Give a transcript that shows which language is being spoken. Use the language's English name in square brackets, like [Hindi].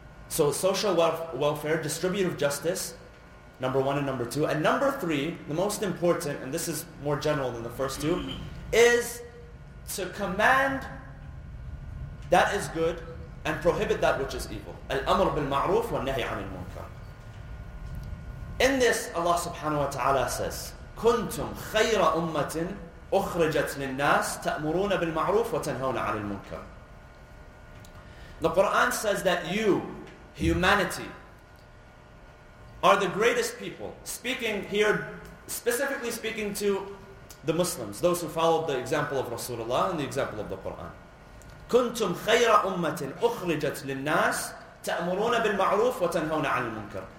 [English] So social welfare, distributive justice, number one and number two. And number three, the most important, and this is more general than the first two, is to command that is good and prohibit that which is evil. [Arabic] Al-amr bil-ma'roof wa nahi anil munkar. [English] In this, Allah subhanahu wa ta'ala says, [Arabic] كُنْتُمْ خَيْرَ أُمَّةٍ أُخْرِجَتْ لِلنَّاسِ تَأْمُرُونَ بِالْمَعْرُوفِ وَتَنْهَوْنَ عَلِ الْمُنْكَرِ. [English] The Quran says that you, humanity, are the greatest people. Speaking here, specifically speaking to the Muslims, those who followed the example of Rasulullah and the example of the Quran. [Arabic] كُنْتُمْ خَيْرَ أُمَّةٍ أُخْرِجَتْ لِلنَّاسِ تَأْمُرُونَ بِالْمَعْرُوفِ وَتَنْهَوْنَ عَلِ الْمُنْكَرِ.